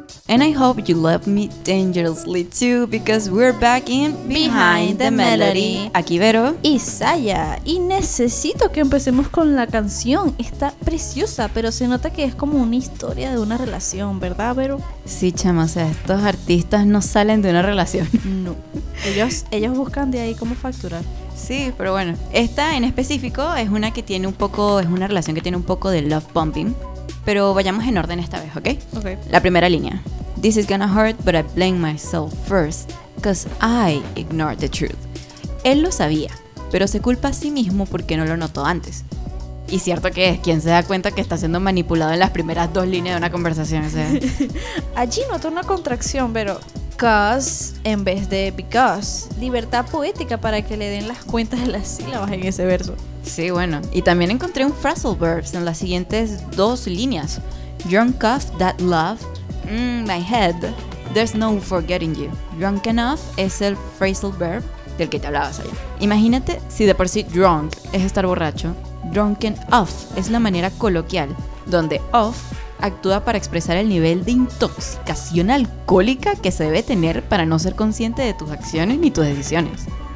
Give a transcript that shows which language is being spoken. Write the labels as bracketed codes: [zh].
[en] And I hope you love me dangerously too, because we're back in Behind the Melody. [es] Aquí Vero y Saya. Y necesito que empecemos con la canción. Está preciosa, pero se nota que es como una historia de una relación, ¿verdad, Vero? Sí, chama, o sea, estos artistas no salen de una relación. No, ellos buscan de ahí cómo facturar. Sí, pero bueno, esta en específico es una que tiene un poco, es una relación que tiene un poco de love bombing. Pero vayamos en orden esta vez, ¿okay? ¿Ok? La primera línea. [en] This is gonna hurt, but I blame myself first, 'cause I ignored the truth. [es] Él lo sabía, pero se culpa a sí mismo porque no lo notó antes. Y cierto que es, quien se da cuenta que está siendo manipulado en las primeras dos líneas de una conversación, o sea. Allí noto una contracción, pero 'cause en vez de because. Libertad poética para que le den las cuentas de las sílabas en ese verso. Sí, bueno, y también encontré un phrasal verbs en las siguientes dos líneas. [en] Drunk off that love, my head, there's no forgetting you. [es] Drunk enough es el phrasal verb del que te hablabas allá. Imagínate si de por sí drunk es estar borracho, drunken off es la manera coloquial donde off actúa para expresar el nivel de intoxicación alcohólica que se debe tener para no ser consciente de tus acciones ni tus decisiones.